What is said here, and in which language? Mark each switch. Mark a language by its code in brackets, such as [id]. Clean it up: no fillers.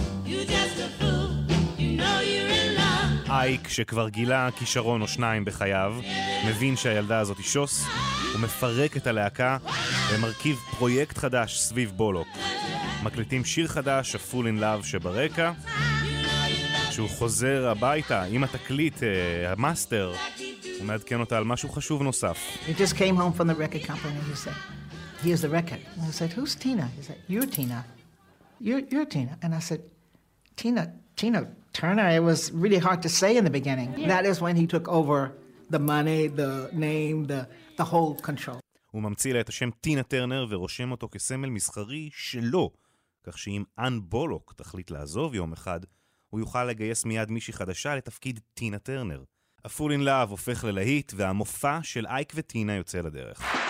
[en] You just a fool, you know you're in love. [he] אייק, שכבר גילה כישרון או שניים בחייו, מבין שהילדה הזאת היא שוס, הוא מפרק את הלהקה ומרכיב פרויקט חדש סביב בולוק. מקליטים שיר חדש, A Fool in Love שברקע, שהוא חוזר הביתה עם התקליט, המאסטר, הוא מעדכן אותה על משהו חשוב נוסף. [en] He just came home from the record company, he said, here's the record. And I said, who's Tina? He said, you're Tina. You're Tina. And I said, Tina Turner, it was really hard to say in the beginning. Yeah. That is when he took over the money, the name, the whole control. [he] הוא ממציא לה את השם טינה טרנר ורושם אותו כסמל מסחרי שלו, כך שאם אן בולוק תחליט לעזוב יום אחד, הוא יוכל לגייס מיד מישהי חדשה לתפקיד טינה טרנר. A Fool in Love הופך ללהיט, והמופע של אייק וטינה יוצא לדרך.